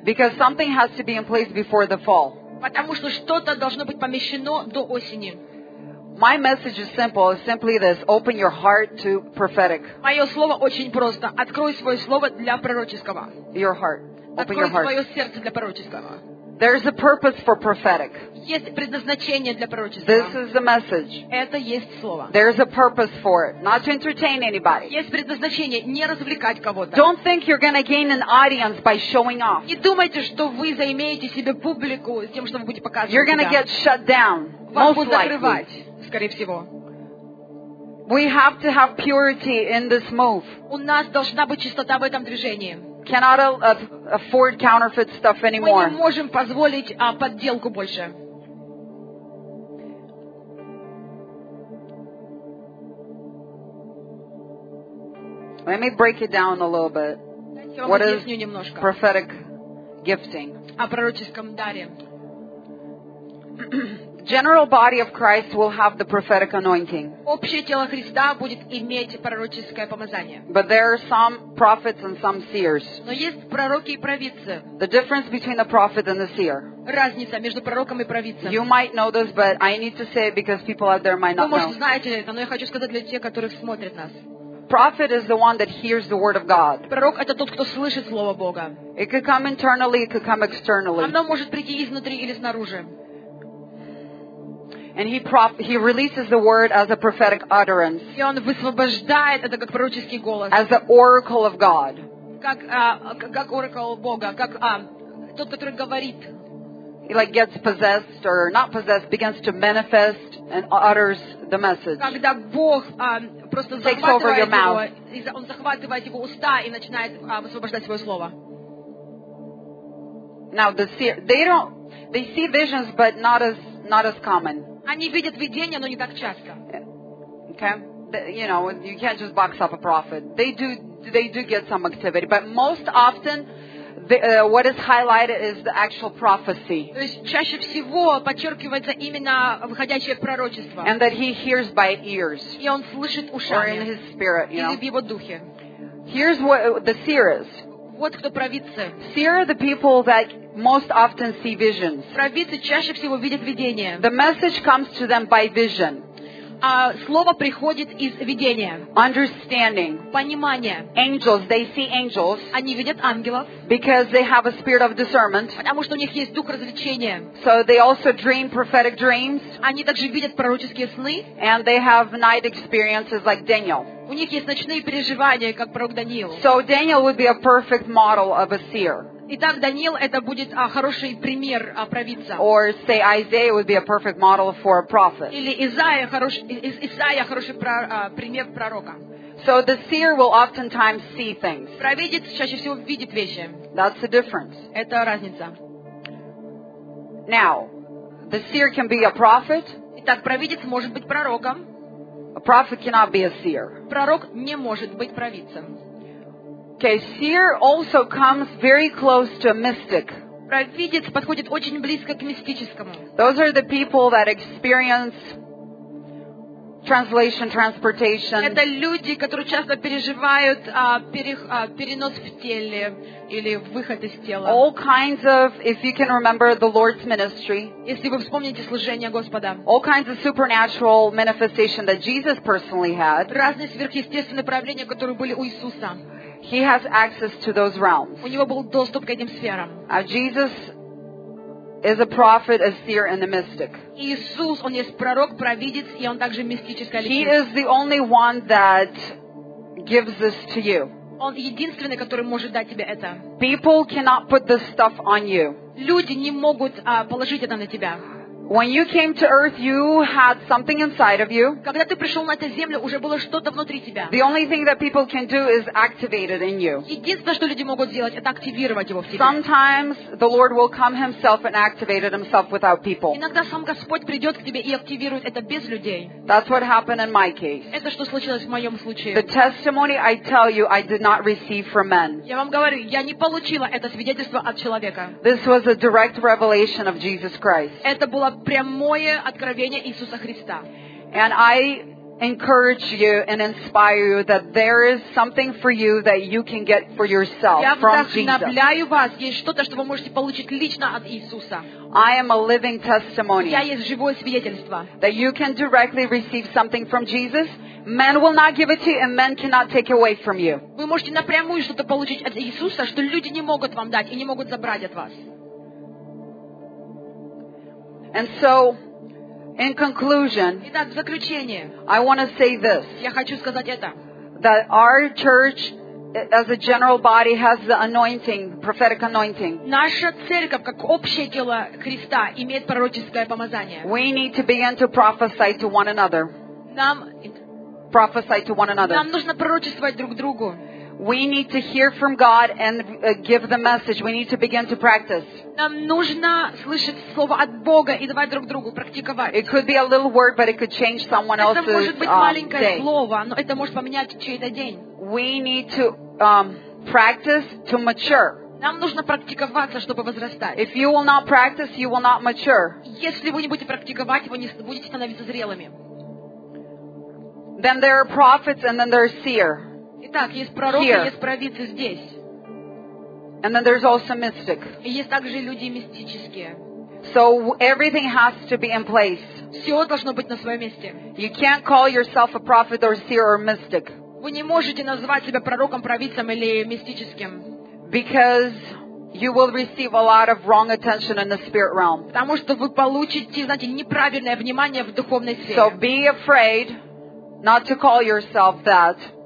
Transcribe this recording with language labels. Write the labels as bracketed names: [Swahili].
[English] Because something has to be in place before the fall. [Russian] Потому что что-то должно быть помещено до осени. [English] My message is simple. It's simply this: open your heart to prophetic. [Russian] Мое слово очень просто. Открой свое слово для пророческого. [English] Your heart. Open your heart. [Russian] Открой свое сердце для пророческого. [English] There's a purpose for prophetic. [Russian] Есть предназначение для пророчества. [English] This is the message. [Russian] Это есть слово. [English] There's a purpose for it, not to entertain anybody. [Russian] Есть предназначение не развлекать кого-то. [English] Don't think you're going to gain an audience by showing off. [Russian] Не думайте, что вы займете себе публику тем, что вы будете показывать. [English] You're going to get shut down. [Russian] Вас будут закрывать, скорее всего. [English] We have to have purity in this move. [Russian] У нас должна быть чистота в этом движении. [English] Cannot afford counterfeit stuff anymore. [Russian] Мы не можем позволить подделку больше. [English] Let me break it down a little bit. What is prophetic gifting? [Russian] О пророческом даре. [English] general body of Christ will have the prophetic anointing. [Russian] Общее тело Христа будет иметь пророческое помазание. [English] But there are some prophets and some seers. [Russian] Но есть пророки и провидцы. [English] The difference between a prophet and a seer. [Russian] Разница между пророком и провидцем. [English] You might know this, but I need to say it because people out there might not know. [Russian] Вы, может, знаете это, но я хочу сказать для тех, которые смотрят нас. [English] Prophet is the one that hears the word of God. [Russian] Пророк это тот, кто слышит слово Бога. [English] It could come internally, it could come externally. [Russian] Оно может прийти изнутри или снаружи. [English] And he releases the word as a prophetic utterance. [Russian] И он высвобождает это как пророческий голос. [English] As the oracle of God. [Russian] Как oracle Бога, как тот, который говорит. [English] He like gets possessed or not possessed, begins to manifest and utters the message. [Russian] Когда Бог просто захватывает его, он захватывает его уста и начинает высвобождать свое слово. [English] Now the seer, they see visions, but not as common. [Russian] Они видят видения, но не так часто. [English] Okay, you know, you can't just box up a prophet. They do get some activity, but most often. What is highlighted is the actual prophecy. [Russian] То есть чаще всего подчеркивается именно выходящее пророчество. [English] And that he hears by ears. [Russian] И он слышит ушами. [English] Or in his spirit, you know. [Russian] Или в его духе. [English] Here's what the seer is. [Russian] Вот кто провидцы. [English] Seer are the people that most often see visions. [Russian] Провидцы чаще всего видят видения. [English] The message comes to them by vision. [Russian] Слово приходит из видения. [English] Understanding. [Russian] Понимание. [English] Angels, they see angels. [Russian] Они видят ангелов. [English] Because they have a spirit of discernment. [Russian] Потому что у них есть дух развлечения. [English] So they also dream prophetic dreams. [Russian] Они также видят пророческие сны. [English] And they have night experiences like Daniel. [Russian] У них есть ночные переживания, как пророк Даниил. [English] So Daniel would be a perfect model of a seer. [Russian] Итак, Даниил это будет хороший пример провидца. [English] Or say Isaiah would be a perfect model for a prophet. [Russian] Или Исаия хороший пример пророка. [English] So the seer will oftentimes see things. [Russian] Провидец чаще всего видит вещи. [English] That's the difference. [Russian] Это разница. [English] Now, the seer can be a prophet. [Russian] Итак, провидец может быть пророком. [English] A prophet cannot be a seer. [Russian] Пророк не может быть провидцем. [English] Okay, seer also comes very close to a mystic. [Russian] Провидец подходит очень близко к мистическому. [English] Those are the people that experience translation, transportation. [Russian] Это люди, которые часто переживают перенос в теле или выход из тела. [English] All kinds of, if you can remember the Lord's ministry. [Russian] Если вы вспомните служение Господа. [English] All kinds of supernatural manifestation that Jesus personally had. [Russian] Разные сверхъестественные проявления, которые были у Иисуса. [English] He has access to those realms. [Russian] У него был доступ к этим сферам. [English] Jesus is a prophet, a seer, and a mystic. [Russian] Иисус, он есть пророк, провидец, и он также мистическая личность. [English] He is the only one that gives this to you. [Russian] Он единственный, который может дать тебе это. [English] People cannot put this stuff on you. [Russian] Люди не могут положить это на тебя. [English] When you came to earth, you had something inside of you. [Russian] Когда ты пришёл на эту землю, уже было что-то внутри тебя. [English] The only thing that people can do is activate it in you. [Russian] Единственное, что люди могут сделать, это активировать его в тебе. [English] Sometimes the Lord will come himself and activate it himself without people. [Russian] Иногда сам Господь придёт к тебе и активирует это без людей. [English] That's what happened in my case. [Russian] Это что случилось в моём случае. [English] The testimony I tell you, I did not receive from men. [Russian] Я вам говорю, я не получила это свидетельство от человека. [English] This was a direct revelation of Jesus Christ. [Russian] Это было прямое откровение Иисуса Христа. [English] And I encourage you and inspire you that there is something for you that you can get for yourself from Jesus. [Russian] Я вдохновляю вас, есть что-то, что вы можете получить лично от Иисуса. [English] I am a living testimony. [Russian] Я есть живое свидетельство. [English] That you can directly receive something from Jesus. Men will not give it to you and men cannot take it away from you. [Russian] Вы можете напрямую что-то получить от Иисуса, что люди не могут вам дать и не могут забрать от вас. [English] And so, in conclusion, [Russian] Итак, в заключение, [English] I want to say this, [Russian] я хочу сказать это, [English] that our church, as a general body, has the anointing, prophetic anointing. [Russian] Наша церковь, как общее тело Христа, имеет пророческое помазание. [English] We need to begin to prophesy to one another. [Russian] Нам нужно пророчествовать друг другу. [English] We need to hear from God and give the message. We need to begin to practice. [Russian] Нам нужно слышать слово от Бога и давать друг другу практиковать. [English] It could be a little word, but it could change someone else's day. [Russian] Это может быть маленькое слово, но это может поменять чей-то день. [English] We need to practice to mature. [Russian] Нам нужно практиковаться, чтобы возрастать. [English] If you will not practice, you will not mature. [Russian] Если вы не будете практиковать, вы не будете становиться зрелыми. [English] Then there are prophets and then there are seers. [Russian] Итак, есть пророки, есть провидцы здесь. [English] And then there's also mystic. [Russian] И есть также люди мистические. [English] So everything has to be in place. [Russian] Все должно быть на своем месте. [English] You can't call yourself a prophet or seer or mystic. [Russian] Вы не можете назвать себя пророком, провидцем или мистическим. [English] Because you will receive a lot of wrong attention in the spirit realm. [Russian] Потому что вы получите, знаете, неправильное внимание в духовной сфере. [English] So be afraid not to call yourself that.